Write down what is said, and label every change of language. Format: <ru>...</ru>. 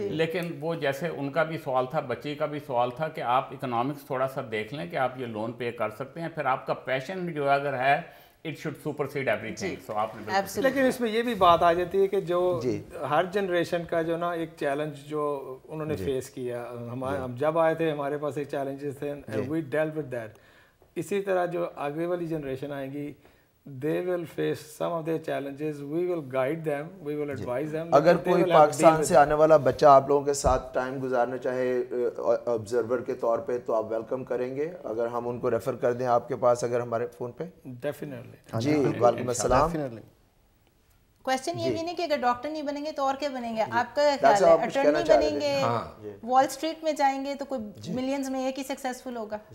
<ur>لیکن وہ جیسے ان کا بھی سوال تھا, بچے کا بھی سوال تھا کہ آپ اکنامکس تھوڑا سا دیکھ لیں کہ آپ یہ لون پے کر سکتے ہیں, پھر آپ کا پیشن جو اگر ہے</ur> <en>it should supersede everything.</en> <ur>So, لیکن اس میں یہ بھی بات آ جاتی ہے کہ جو ہر جنریشن کا جو نا ایک چیلنج جو انہوں نے فیس کیا, ہم جب آئے تھے ہمارے پاس ایک چیلنجز تھے,</ur> <en>We dealt with that.</en> <ur>اسی طرح جو آگے والی جنریشن آئے گی,</ur> <en>They will face some of their challenges, we will guide them, we will advise them.</en> <ur>اگر کوئی پاکستان سے آنے والا بچہ آپ لوگوں کے ساتھ ٹائم گزارنا چاہے آبزرور کے طور پہ, تو آپ ویلکم کریں گے اگر ہم ان کو ریفر کر دیں آپ کے پاس, اگر ہمارے فون پہ؟</ur> <en>Definitely.</en> <ur>جی وعلیکم السلام. کوئسچن یہ بھی نہیں کہ اگر ڈاکٹر نہیں بنیں گے تو اور کیا بنیں گے. آپ کا خیال ہے اٹرنی بنیں گے, وال اسٹریٹ میں جائیں گے تو کوئی ملینز میں ایک ہی سکسیزفل ہوگا؟</ur>